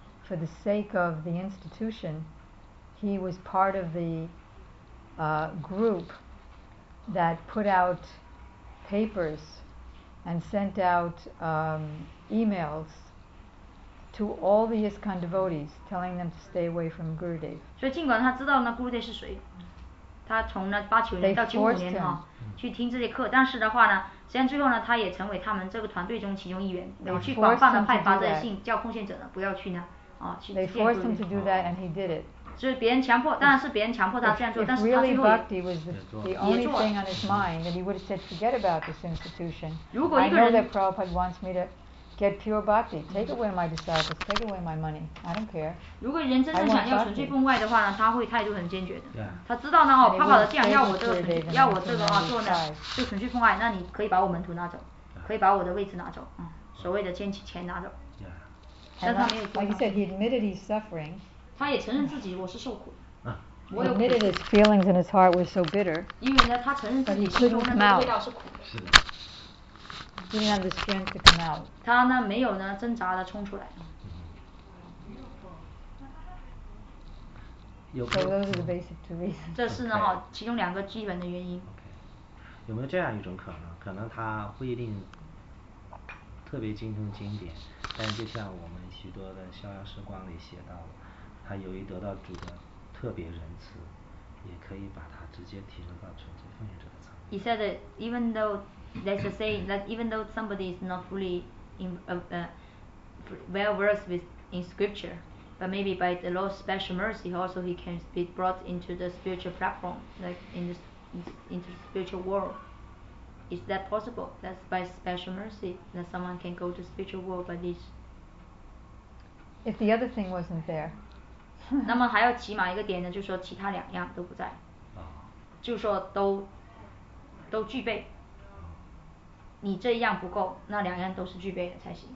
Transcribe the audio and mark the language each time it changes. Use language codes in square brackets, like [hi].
[en] For the sake of the institution, he was part of the group that put out papers and sent out emails to all the ISKCON devotees, telling them to stay away from Gurudev. [zh] 所以尽管他知道那 Gurudev 是谁，他从那八九年到九五年哈、哦、去听这些课，但是的话呢，实际上最后呢，他也成为他们这个团队中其中一员，有去广泛的派发这些信，叫奉献者呢不要去呢。 [en] They forced him to do that and he did it. [zh] 是别人强迫，当然是别人强迫他这样做，但是他最后也做了。 [en] Really, Bhakti was the only thing on his mind, and he would have said, "Forget about this institution." [zh] 如果一个人 [en] I know that Prabhupada wants me to get pure bhakti. Take away my disciples. Take away my money. I don't care. [zh] 如果人真正想要纯粹奉外的话呢，他会态度很坚决的。 [en] Yeah. [zh] 他知道呢哦，怕的这样要我这个纯要我这个啊做呢，就纯粹奉外，那你可以把我门徒拿走，可以把我的位置拿走，所谓的捡起钱拿走。 [en] Like you said, he admitted he's suffering. [zh] 他也承认自己我是受苦。 [en] He admitted his feelings in his heart were so bitter. [zh] 因为呢，他承认自己心中的味道是苦的。 [en] He didn't have the strength to come out. [zh] 他呢，没有呢，挣扎的冲出来。有。 [en] So those are the basic two reasons. [zh] 这是呢哈，其中两个基本的原因。有没有这样一种可能？可能他不一定特别精通经典。但就像我们许多的《逍遥时光》里写到了，他由于得到主的特别仁慈，也可以把他直接提升到纯粹奉献者的层面。 [en] He said that even though let's just say that even though somebody is not fully in well versed with in scripture, but maybe by the Lord's special mercy, also he can be brought into the spiritual platform, like into the spiritual world. Is that possible? That's by special mercy that someone can go to spiritual world by this. If the other thing wasn't there. [zh] 那么还要起码一个点呢，就是说其他两样都不在。啊。就说都具备。你这一样不够，那两样都是具备的才行。